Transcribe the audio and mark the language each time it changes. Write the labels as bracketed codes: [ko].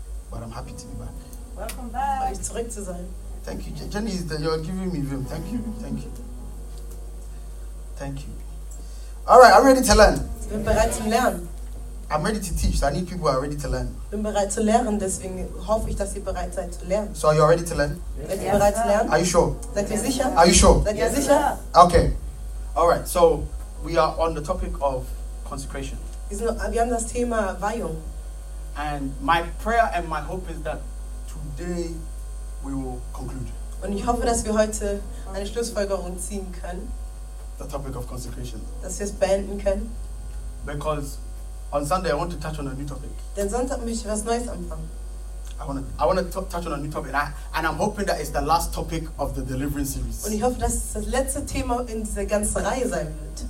[en] But I'm happy to be back. Welcome back. Thank you. Jenny, you're giving me room. Thank you. Thank you. All right, I'm ready to learn. [de] Bin bereit zum Lernen. [en] I'm ready to teach. So I need people who are ready to learn. [de] Bin bereit zu lernen. Deswegen hoffe ich, dass ihr bereit seid zu lernen. [en] So are you ready to learn? [de] Seid ihr bereit zu lernen? [en] Are you sure? [de] Seid ihr sicher? [en] Are you sure? [de] Seid ihr sicher? [en] Okay. All right. So we are on the topic of consecration. [de] Wir haben das Thema Weihung. [en] And my prayer and my hope is that today we will conclude. [de] Und ich hoffe, dass wir heute eine Schlussfolgerung ziehen können. [en] The topic of consecration. [de] Dass wir es beenden können. [en] Because on Sunday I want to touch on a new topic. [de] Denn Sonntag möchte ich was Neues anfangen. [en] I want to touch on a new topic, and I'm hoping that it's the last topic of the Deliverance series. [de] Und ich hoffe, dass es das letzte Thema in dieser ganzen Reihe sein wird.